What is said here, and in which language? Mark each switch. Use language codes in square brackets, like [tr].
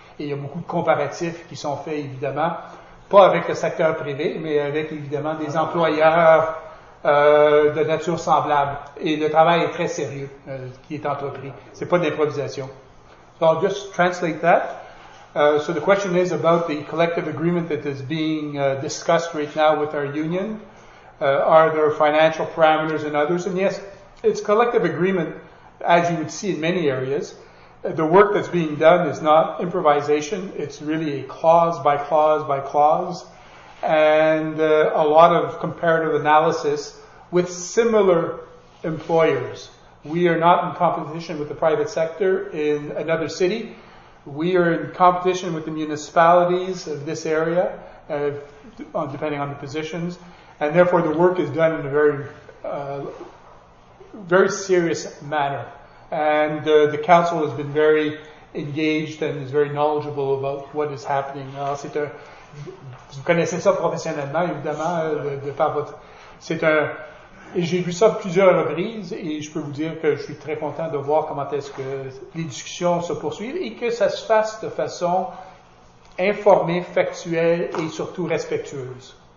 [fr] Et il y a beaucoup de comparatifs qui sont faits, évidemment, pas avec le secteur privé, mais avec, évidemment, des employeurs de nature semblable. Et le travail est très sérieux qui est entrepris. C'est pas de l'improvisation. [en] So I'll just translate that. So the question is about the collective agreement that is being discussed right now with our union. Are there financial parameters and others? And yes, it's collective agreement, as you would see in many areas. the work that's being done is not improvisation. It's really clause by clause by clause, and a lot of comparative analysis with similar employers. We are not in competition with the private sector in another city. We are in competition with the municipalities of this area, depending on the positions, and therefore the work is done in a very, very serious manner. And the council has been very engaged and is very knowledgeable about what is happening. [fr] Alors, c'est un, vous connaissez ça professionnellement, évidemment, de faire votre. C'est un. Et j'ai vu ça plusieurs reprises et je peux vous dire que je suis très content de voir comment est-ce que les discussions se poursuivent et que ça se fasse de façon informée, factuelle et surtout respectueuse.